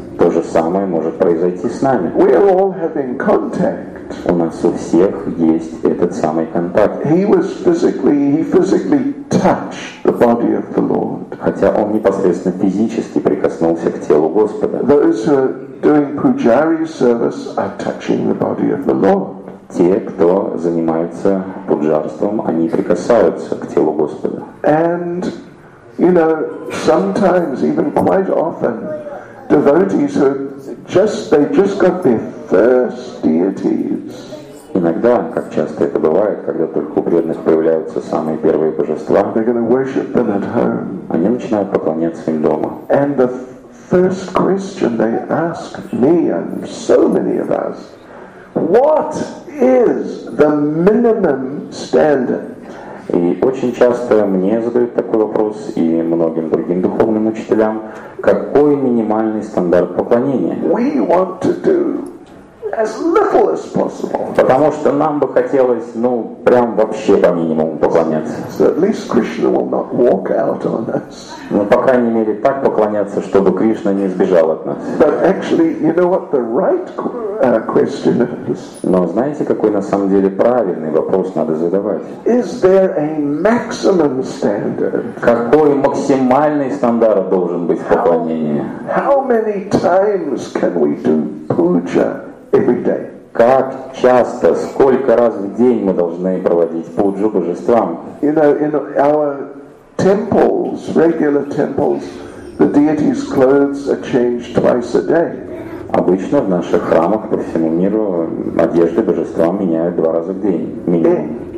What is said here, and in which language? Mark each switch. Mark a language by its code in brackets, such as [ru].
[ru] То же самое может произойти с нами. [en] We are all having contact. [ru] У нас у всех есть этот самый контакт. [en] He physically touched the body of the Lord. [ru] Хотя он непосредственно физически прикоснулся к телу Господа. [en] Those who are doing pujari service are touching the body of the Lord. [ru] Те, кто занимается пуджарством, они прикасаются к телу Господа. [en] And, you know, sometimes, even quite often, devotees who just got their first deities. [ru] Иногда, как часто это бывает, когда только у преданных появляются самые первые божества, они начинают поклоняться им дома. [en] And the first question they ask me and so many of us, what is the minimum standard? [ru] И очень часто мне задают такой вопрос, и многим другим духовным учителям, какой минимальный стандарт поклонения? [en] We want to do as little as possible. [ru] Потому что нам бы хотелось, ну, прям вообще по минимуму поклоняться. [en] So at least Krishna will not walk out on us. [ru] Ну, по крайней мере, так поклоняться, чтобы Кришна не сбежал от нас. [en] But actually, you know what the right question is? [ru] Но знаете, какой на самом деле правильный вопрос надо задавать? [en] Is there a maximum standard? [ru] Какой максимальный стандарт должен быть в поклонении? [en] How many times can we do puja? Every day. [ru] Как часто, сколько раз в день мы должны проводить пуджу божествам? [en] You know, in our temples, regular temples, the deity's clothes are changed twice a day. [ru] Обычно в наших храмах по всему миру одежды божества меняют два раза в день, минимум.